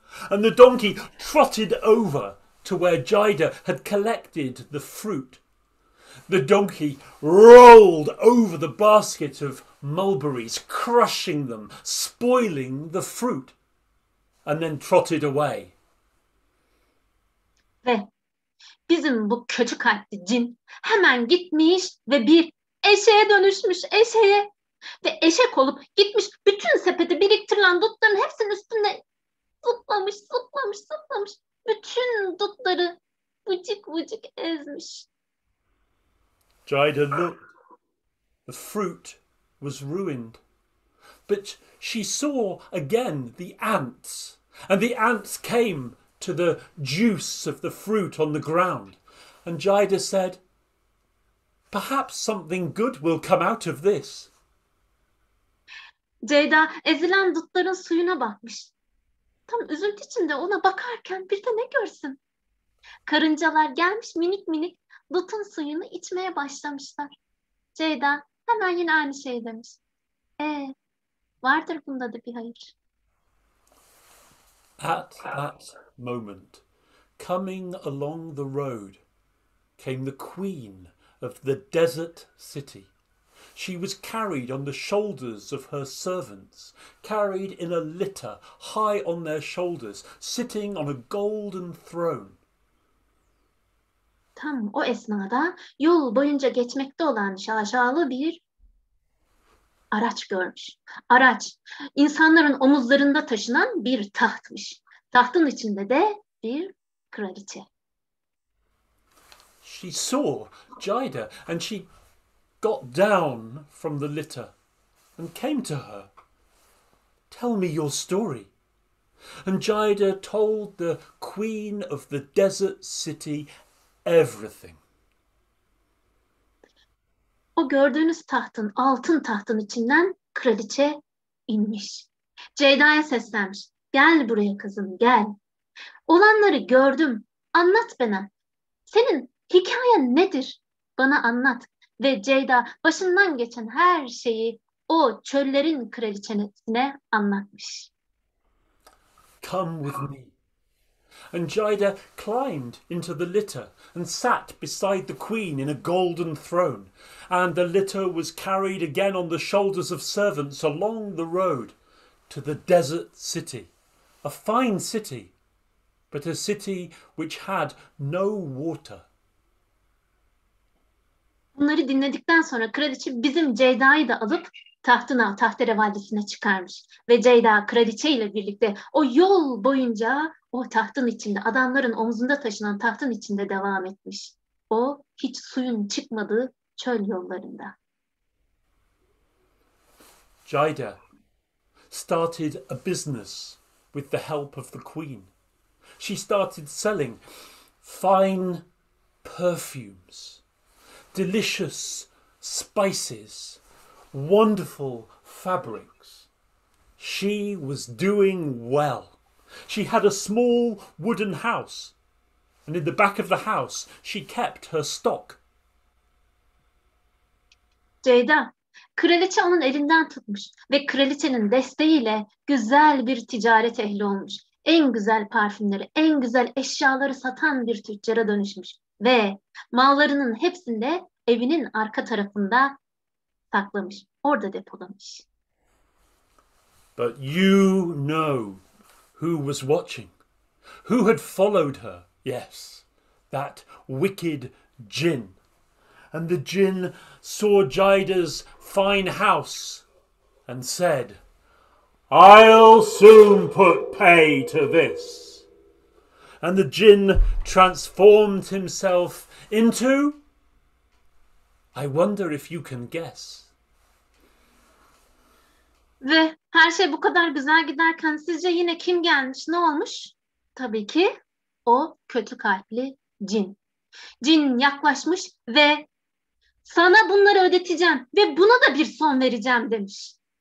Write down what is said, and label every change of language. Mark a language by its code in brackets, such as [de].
[en] And the donkey trotted over to where Jaida had collected the fruit. The donkey rolled over the basket of mulberries, crushing them, spoiling the fruit, and then trotted away. [tr] Ve bizim bu kötü kalpli cin hemen gitmiş ve bir eşeğe dönüşmüş, eşeğe. Ve eşek olup gitmiş bütün sepete biriktirilen dutların hepsinin üstüne zıplamış, zıplamış, zıplamış. Bütün dutları vıcık vıcık ezmiş. [en] Jaida looked. The fruit was ruined. But she saw again the ants. And the ants came to the juice of the fruit on the ground. And Jaida said, perhaps something good will come out of this. [tr] Jaida ezilen dutların suyuna bakmış. Tam üzüntü içinde ona bakarken bir de ne görsün? Karıncalar gelmiş minik minik Lut'un suyunu içmeye başlamışlar. Ceyda hemen yine aynı şey demiş. Vardır bunda da bir hayır. [en] At that moment, coming along the road, came the queen of the desert city. She was carried on the shoulders of her servants, carried in a litter high on their shoulders, sitting on a golden throne. [tr] Tam o esnada yol boyunca geçmekte olan şaşalı bir araç görmüş. Araç, insanların omuzlarında taşınan bir tahtmış. Tahtın içinde de bir kraliçe. [en] She saw Jaida and she got down from the litter and came to her. Tell me your story. And Jaida told the queen of the desert city everything. [tr] O gördüğünüz tahtın, altın tahtın içinden kraliçe inmiş. Ceyda'ya seslenmiş. Gel buraya kızım, gel. Olanları gördüm. Anlat bana. Senin hikayen nedir? Bana anlat. Ve Ceyda başından geçen her şeyi o çöllerin kraliçesine anlatmış. [en] Come with me. And Jaida climbed into the litter and sat beside the queen in a golden throne. And the litter was carried again on the shoulders of servants along the road to the desert city. A fine city, but a city which had no water. [tr] Bunları dinledikten sonra kraliçe bizim Ceyda'yı da alıp tahtına, tahterevallisine çıkarmış. Ve Ceyda kraliçe ile birlikte o yol boyunca o tahtın içinde, adamların omzunda taşınan tahtın içinde devam etmiş. O hiç suyun çıkmadığı çöl yollarında. [en] Jaida started a business with the help of the queen. She started selling fine perfumes, delicious spices, wonderful fabrics. She was doing well. She had a small wooden house, and in the back of the house, she kept her stock. [tr] Ceyda, kraliçe onun elinden tutmuş ve kraliçenin desteğiyle güzel bir ticaret ehli olmuş. En güzel parfümleri, en güzel eşyaları satan bir tüccara dönüşmüş ve mallarının hepsinde evinin arka tarafında saklamış, orada depolamış. [en] But you know who was watching, who had followed her, yes, that wicked djinn. And the djinn saw Jaida's fine house and said, I'll soon put pay to this. And the djinn transformed himself into, I wonder if you can guess. [tr] Ve her şey bu kadar güzel giderken sizce yine kim gelmiş, ne olmuş? Tabii ki o kötü kalpli cin. Cin yaklaşmış ve sana bunları ödeteceğim ve buna da bir son vereceğim demiş.